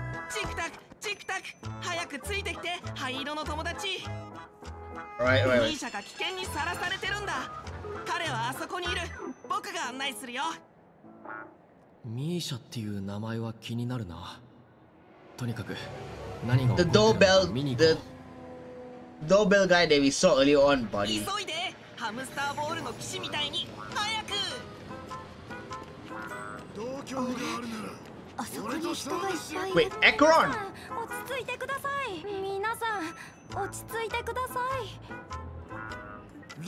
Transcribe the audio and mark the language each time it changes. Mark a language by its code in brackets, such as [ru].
[ja] チクタク、チクタク、早くついてきて、灰色の友達。 [en] Right. [ja] ミーシャが危険にさらされてるんだ。彼はあそこにいる。僕が案内するよ。ミーシャっていう名前は気になるな。とにかく何が起こるか見に行こう。 [en] The doorbell guy that we saw earlier on, buddy. [ja] 急いで、ハムスターボールの騎士みたいに早く。同居があるなら、あそこに人がいっぱい。 [en] Wait, Ekron! [ja] 落ち着いてください。皆さん落ち着いてください。